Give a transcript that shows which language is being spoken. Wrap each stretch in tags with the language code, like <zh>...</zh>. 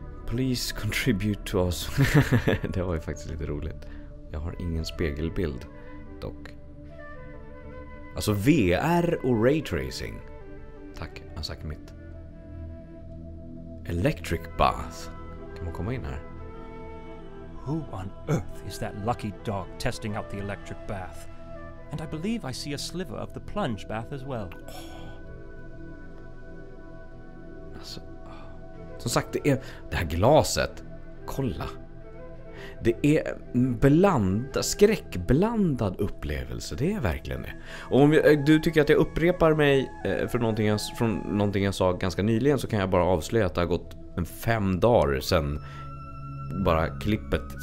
<en>Please contribute to us.</en> <sv>Det var ju faktiskt lite roligt. Jag har ingen spegelbild dock. Alltså VR och ray tracing. Tack, jag har sagt mitt.</sv> <en>Electric bath.</en> <sv>Kan man komma in här?</sv> <en>Who on earth is that lucky dog testing out the electric bath? And I believe I see a sliver of the plunge bath as well.</en> <sv>Alltså. Som sagt, det är det här glaset. Kolla. Det är skräckblandad upplevelse. Det är verkligen det. Och om du tycker att jag upprepar mig från någonting jag sa ganska nyligen, så kan jag bara avslöja att det har gått 5 dagar sedan bara klippet.</sv>